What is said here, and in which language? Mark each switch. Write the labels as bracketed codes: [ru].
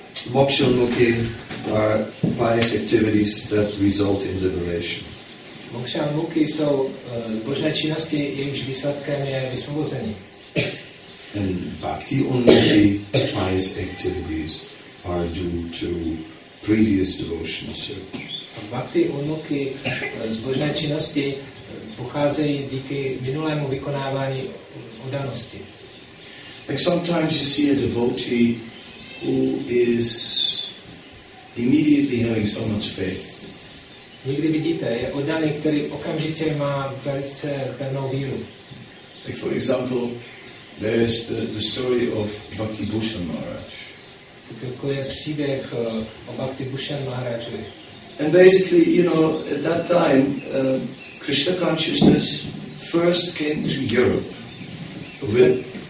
[en] Moksha mukhi are pious activities that result in liberation. [cs] Moksha mukhi jsou zbožné činnosti, jejichž výsledkem je vysvobození. [en] And bhakti unmukhi pious activities are due to previous devotional service. [cs] Bhakti unmukhi zbožné činnosti pocházejí díky minulému vykonávání oddanosti. [en] Like sometimes you see a devotee who is immediately having so much faith. [cs] Někdy vidíte, je oddaný, který okamžitě má velice pevnou víru. [en] Like for example, there is the story of Bhakti Bhushan Maharaj. [cs] jako je příběh o Bhakti Bhushan Maharajovi. [en] And basically, you know, at that time, Krishna consciousness first came to Europe.